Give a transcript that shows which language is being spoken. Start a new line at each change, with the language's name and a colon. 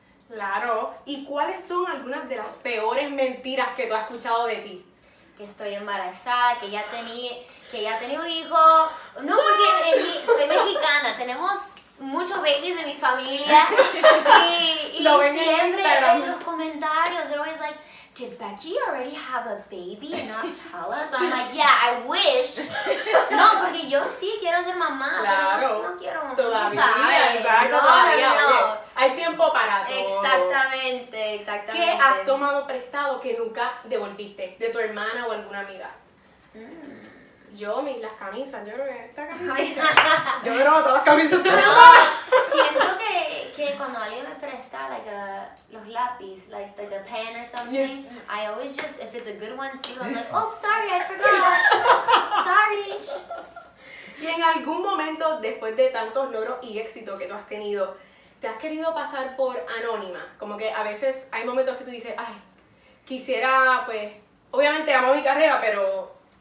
Spanish: Claro. ¿Y cuáles son algunas de las peores mentiras que tú has escuchado de ti? Que estoy embarazada, que ya tenía un hijo. No, porque soy mexicana, tenemos muchos babies de mi familia. Y siempre en los comentarios,
English: they're always like, did Becky already have a baby and not tell us? I'm like, yeah, I wish.
Spanish: No, porque yo sí quiero ser mamá. Claro. No quiero. Todavía, exacto. No. Hay tiempo para todo. Exactamente. ¿Qué has tomado prestado que nunca devolviste? ¿De tu hermana o alguna amiga? Las camisas. Yo creo que esta camisa. Yo creo que todas las camisas te no, las siento que cuando alguien me presta, like, los lápices,
English: like a pen or something, yes. I always just, if it's a good one too, I'm like, oh, sorry, I forgot. Sorry.
Spanish: Y en algún momento, después de tantos logros y éxito que tú has tenido, ¿te has querido pasar por anónima? Como que a veces hay momentos que tú dices, ay, quisiera, pues, obviamente amo mi carrera, pero...